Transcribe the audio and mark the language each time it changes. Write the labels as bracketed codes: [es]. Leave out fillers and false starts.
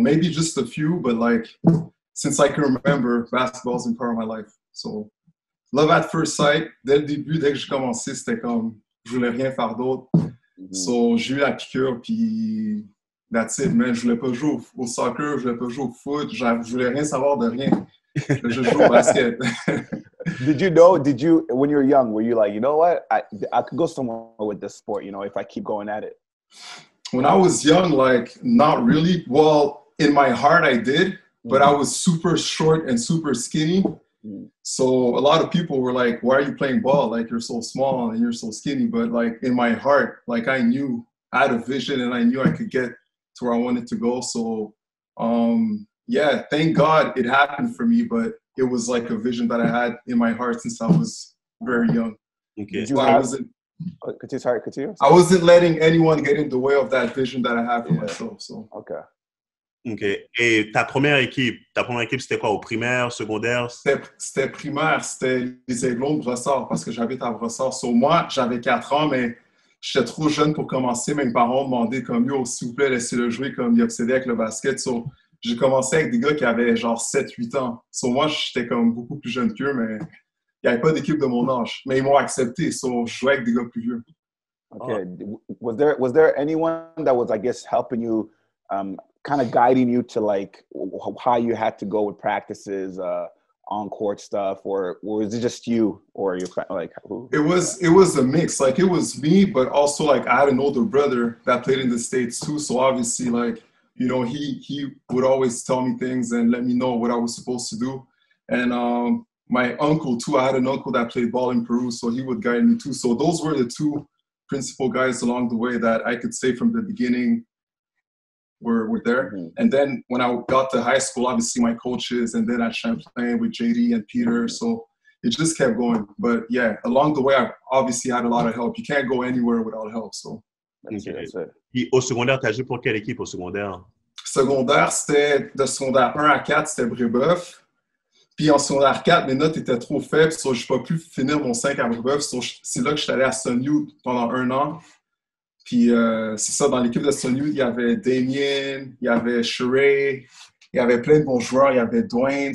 [en] Maybe just a few, but like since I can remember, basketball's been part of my life. So love at first sight. [fr] Dès le début, dès que j'ai commencé, c'était comme je voulais rien faire d'autre. So j'ai eu la piqûre, puis [en] that's it, man. [fr] Je voulais pas jouer au soccer, je voulais pas jouer au foot, je voulais rien savoir de rien. Je joue au basket. [en] Did you, when you were young, were you like, you know what, I could go somewhere with this sport, you know, if I keep going at it? When I was young, like, not really. Well, in my heart, I did, but I was super short and super skinny. So a lot of people were like, why are you playing ball? Like, you're so small and you're so skinny. But like, in my heart, like, I knew I had a vision and I knew I could get to where I wanted to go. So, yeah, thank God it happened for me, but it was like a vision that I had in my heart since I was very young. Okay. I wasn't letting anyone get in the way of that vision that I had for myself. So. Okay. [fr] Et ta première équipe, c'était quoi, au primaire, secondaire? C'était primaire, c'était les Aiglons de Brossard, parce que j'habite à Brossard. So moi, j'avais 4 ans, mais j'étais trop jeune pour commencer. Mes parents demandaient comme, yo, s'il vous plaît, laissez-le jouer, comme il obsédait avec le basket. So, j'ai commencé avec des gars qui avaient genre 7-8 ans. So moi, j'étais comme beaucoup plus jeune qu'eux, mais il n'y avait pas d'équipe de mon âge. Mais ils m'ont accepté. So je jouais avec des gars plus vieux. [en] Okay. Was there anyone that was, I guess, helping you, kind of guiding you to like how you had to go with practices, on court stuff, or was it just you or your friend? Like, who? It was a mix. Like, it was me, but also like I had an older brother that played in the States too. So obviously, like, you know, he would always tell me things and let me know what I was supposed to do. And my uncle, too, I had an uncle that played ball in Peru, so he would guide me, too. So those were the two principal guys along the way that I could say from the beginning were there. Mm-hmm. And then when I got to high school, obviously my coaches, and then at Champlain with JD and Peter. So it just kept going. But, yeah, along the way, I obviously had a lot of help. You can't go anywhere without help, so. [fr] Puis au secondaire, t'as joué pour quelle équipe au secondaire? Secondaire, c'était de secondaire 1 à 4, c'était Brébeuf. Puis en secondaire 4, mes notes étaient trop faibles, so j'ai pas pu finir mon 5 à Brébeuf. So c'est là que j'étais allé à Sunyu pendant un an. Puis c'est ça, dans l'équipe de Sunyu, il y avait Damien, il y avait Sheree, il y avait plein de bons joueurs, il y avait Dwayne.